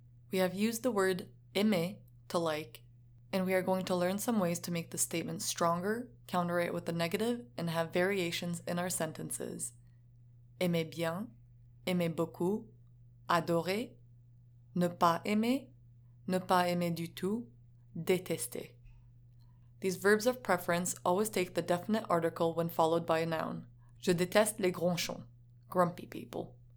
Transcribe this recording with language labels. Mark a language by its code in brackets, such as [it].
[en] We have used the word aimer to like, and we are going to learn some ways to make the statement stronger, counter it with a negative, and have variations in our sentences. [fr] Aimer bien, aimer beaucoup, adorer, ne pas aimer du tout, détester. [en] These verbs of preference always take the definite article when followed by a noun. [fr] Je déteste les gronchons, [en] grumpy people.